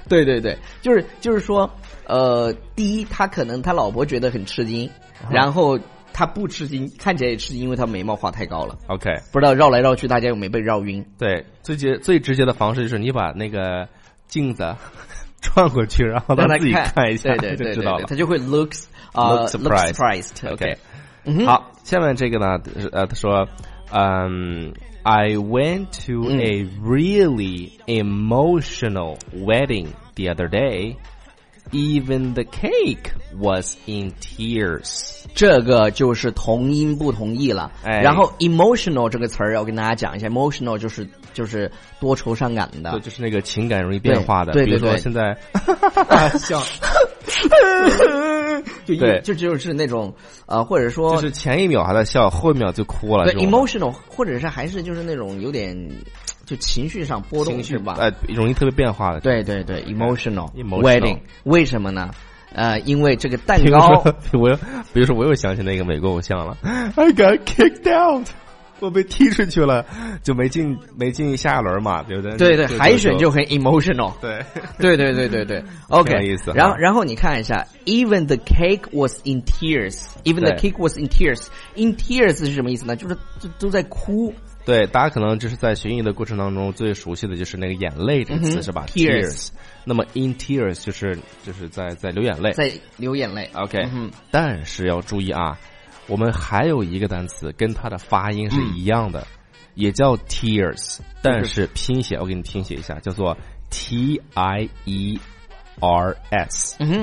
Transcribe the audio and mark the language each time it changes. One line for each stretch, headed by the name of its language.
Chinese: 对对对，就是说第一他可能他老婆觉得很吃惊，然后他不吃惊，看起来也吃惊，因为他眉毛画太高了。
English: OK，
Chinese: 不知道绕来绕去大家有没被绕晕。对，最直接的方式就是你把那个镜子转过去，然后让他自己看一下。对对对，就知道了，他就会
English: look surprised。 OK，
Chinese: 好，下面这个呢，他说，
English: I went to a really emotional wedding the other day. Even the cake was in tears.
Chinese: 这个就是同音不同义了。哎、然后 emotional 这个词儿要跟大家讲一下 ，emotional 就是多愁善感的，就是那个情感容易变化的。对对对，比如说现在，笑。就是那种或者说就是前一秒还在笑，后一秒就哭了。对， emotional 或者是还是就是那种有点就情绪上波动，情绪吧，容易特别变化的。对对对， emotional,
English: emotional
Chinese: wedding。 为什么呢？因为这个蛋糕，比如说我又想起那个美国偶像了。
English: I got kicked out，
Chinese: 我被踢出去了，就没进下一轮嘛，对不对？对对，海选就很 emotional。对，对对对对对。OK，意思。然后你看一下 ，
English: even the cake was in tears。 even the cake was in tears。
Chinese: in tears 是什么意思呢？就是都在哭。对，大家可能就是在学英语的过程当中最熟悉的就是那个眼泪这个词，是吧
English: ？tears。
Chinese: 那么 in tears 就是在流眼泪。在流眼泪。 OK。 但是要注意啊。我们还有一个单词跟它的发音是一样的，也叫 tears， 但是拼写我给你拼写一下，叫做 T-I-E-R-S。